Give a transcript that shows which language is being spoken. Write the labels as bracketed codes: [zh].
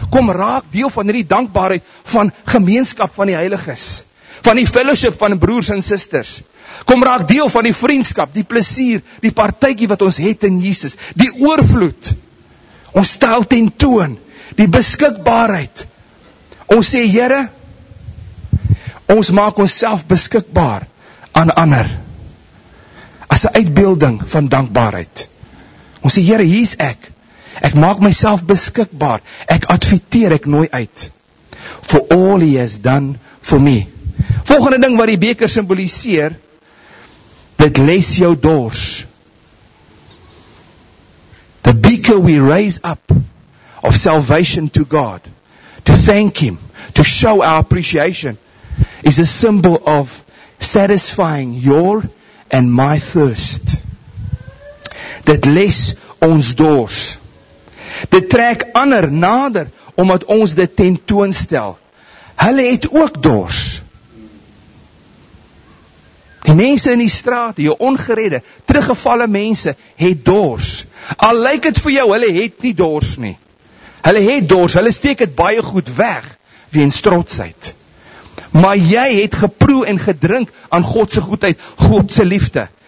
[af] Kom raak deel van die dankbaarheid van gemeenskap van die heiliges. Van die fellowship van broers en sisters. Kom raak deel van die vriendskap, die plesier, die partytjie wat ons het in Jesus, die oorvloed, ons stel ten toon, die beskikbaarheid. Ons sê, Here, ons maak ons self beskikbaar aan ander, as 'n uitbeelding van dankbaarheid. Ons sê, Here, hier is ek, ek maak myself beskikbaar, ek adverteer, ek nooi uit, [en] for all he has done for me. [af] Volgende ding wat die beker simboliseer, dit les jou dors. [en] The beaker we raise up of salvation to God, to thank him, to show our appreciation, is a symbol of satisfying your and my thirst. [af] Dit les ons dors. Dit trek ander nader, omdat ons dit ten toon stel. Hulle het ook dors. Die mense in die straat, die ongeredde, teruggevalle mense, het dors. Al lyk het vir jou, hulle het nie dors nie. Hulle het dors, hulle steek het baie goed weg, weens trotsheid. Maar jy het geproe en gedrink aan Godse goedheid, Godse liefde.